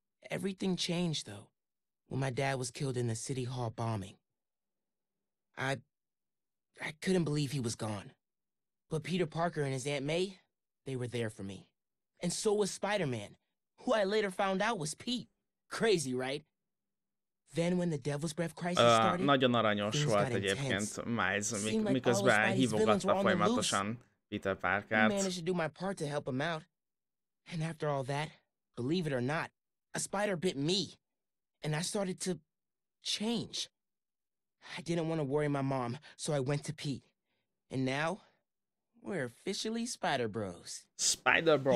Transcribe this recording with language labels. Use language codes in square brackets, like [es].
[en] Everything changed, though, when my dad was killed in the City Hall bombing. I couldn't believe he was gone. But Peter Parker and his Aunt May, they were there for me. And so was Spider-Man, who I later found out was Pete. Crazy, right? Then when the Devil's Breath crisis started, [hu] nagyon aranyos volt egyébként Miles, miközben hívogatta folyamatosan Peter Parkert. [en] I managed to do my part to help him out. And after all that, believe it or not, a spider bit me. And I started to change. I didn't want to worry my mom, so I went to Pete. And now, we're officially Spider Bros. Spider Bros.